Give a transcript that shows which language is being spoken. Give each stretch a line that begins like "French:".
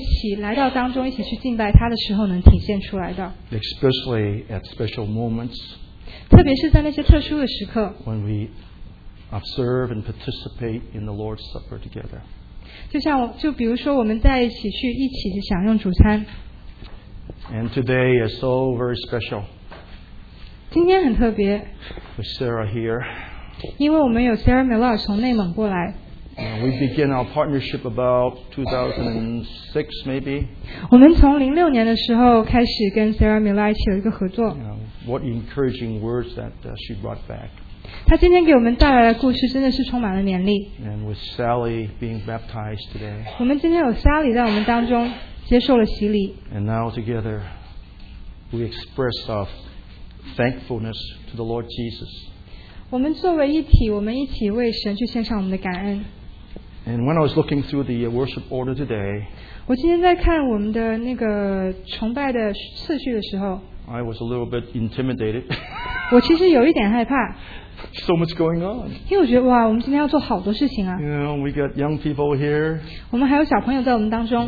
Chinese: 基督的爱是我们在一起来到当中一起去敬拜他的时候能体现出来的。
English: Especially at special moments.
Chinese: 特别是在那些特殊的时刻。
English: When we observe and participate in the Lord's Supper together.
Chinese: 就比如说我们在一起去一起享用主餐。
English: And today is so very special.
Chinese: 今天很特别。
English: With Sarah here.
Chinese: 因为我们有 Sarah Miller 从内蒙过来。
English: We began our partnership about 2006, maybe.
Chinese: 我们从06年的时候开始跟 Sarah Miller 一起有一个合作。
English: What encouraging words that she brought back. And with Sally being baptized today.
Chinese: 我们今天有Sally在我们当中 接受了洗礼。
English: And now together we express our thankfulness to the Lord Jesus.
Chinese: 我们作为一体, 我们一起为神去献上我们的感恩。
English: And when I was looking through the worship order today,
Chinese: 我今天在看我们的那个崇拜的次序的时候,
English: I was a little bit intimidated.
Chinese: 我其实有一点害怕。
English: So much going on.
Chinese: 因为我觉得哇, 我们今天要做好多事情啊。
English: You know, we got young people here.
Chinese: 我们还有小朋友在我们当中。